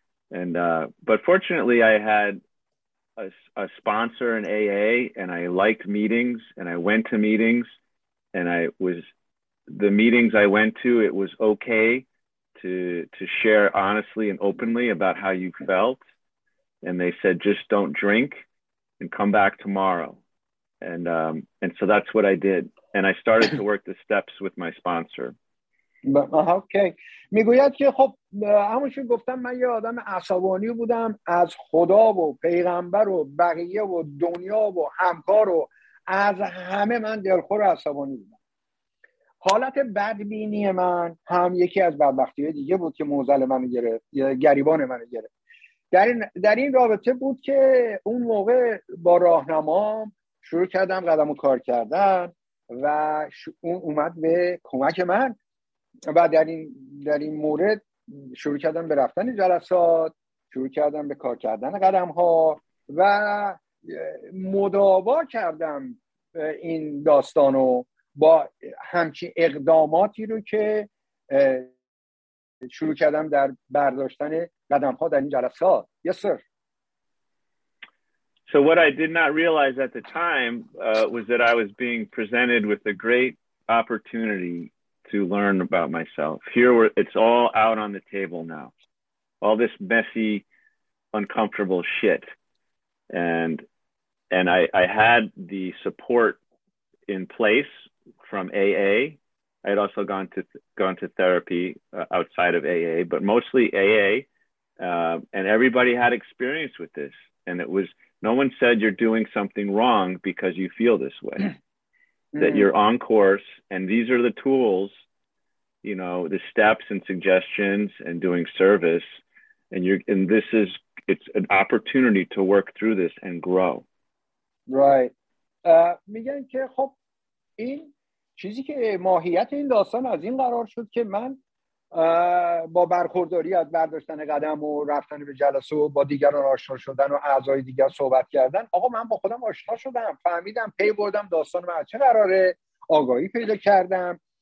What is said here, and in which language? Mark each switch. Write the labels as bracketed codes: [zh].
[en] And but fortunately I had a sponsor in AA, and I liked meetings, and I went to meetings, and I was the meetings I went to, it was okay to share honestly and openly about how you felt. And they said, just don't drink and come back tomorrow. And so that's what I did. And I started to work the steps with my sponsor. [fa] اوکی میگوید که خب همونشون گفتم من یه آدم عصبانی بودم، از خدا و پیغمبر و بقیه و دنیا و همکار و از همه من دلخور و عصبانی بودم. حالت بدبینی من هم یکی از بدبختی دیگه بود که موزل منو گرفت، گریبان منو گرفت. در این رابطه بود که اون موقع با راهنمام شروع کردم قدمو کار کردن و اون اومد به کمک من و در این مورد شروع کردم به رفتن جلسات، شروع کردم به کار کردن قدم ها و مداوا کردم این داستان رو با همچین اقداماتی رو که شروع کردم در برداشتن قدم ها در این جلسات. [en] Yes sir. So what I did not realize at the time was that I was being presented with a great opportunity to learn about myself. Here, it's all out on the table now. All this messy, uncomfortable shit. And I had the support in place from AA. I had also gone to therapy outside of AA, but mostly AA. And everybody had experience with this. And it was, no one said you're doing something wrong because you feel this way. That you're on course, and these are the tools, you know, the steps and suggestions and doing service, and this is, it's an opportunity to work through this and grow. Right. [fa] میگن که خب این چیزی که ماهیت این داستان از این قرار شد که من با برخورداری از برداشتن قدم و رفتن به جلسه و با دیگران آشنا شدن و اعضای دیگر صحبت کردن، آقا من با خودم آشنا شدم، فهمیدم، پی بردم داستان من چه قراره، آگاهی پیدا کردم.